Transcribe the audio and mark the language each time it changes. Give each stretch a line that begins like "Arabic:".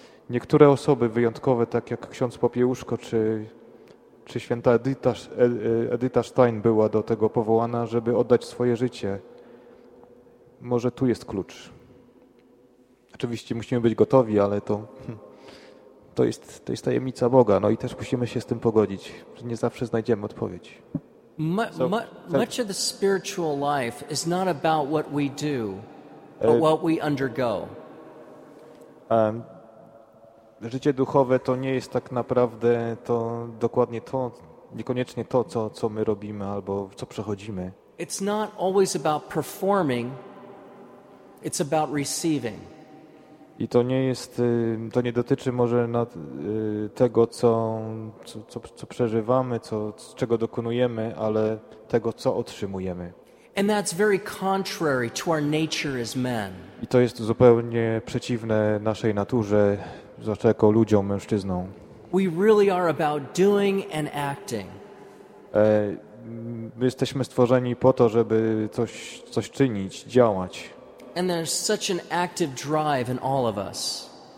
Polish: Niektóre osoby wyjątkowe, tak jak ksiądz Popiełuszko czy święta Edyta Stein, była do tego powołana, żeby oddać swoje życie. Może tu jest klucz. Oczywiście musimy być gotowi, ale to jest tajemnica Boga. No i też musimy się z tym pogodzić, że nie zawsze znajdziemy odpowiedź.
English: Much of the spiritual life is not about what we do, but what we undergo.
Polish: Życie duchowe to nie jest tak naprawdę to dokładnie to, niekoniecznie to, co my robimy albo co przechodzimy.
English: It's not always about performing, it's about receiving.
Polish: I to nie jest, to nie dotyczy może tego, co przeżywamy, czego dokonujemy, ale tego, co otrzymujemy.
English: And that's very contrary to our nature as men.
Polish: I to jest zupełnie przeciwne naszej naturze, zwłaszcza jako ludziom, mężczyznom.
English: We really are about doing and acting.
Polish: My jesteśmy stworzeni po to, żeby coś czynić, działać.
English: And there's such an active drive in all of us.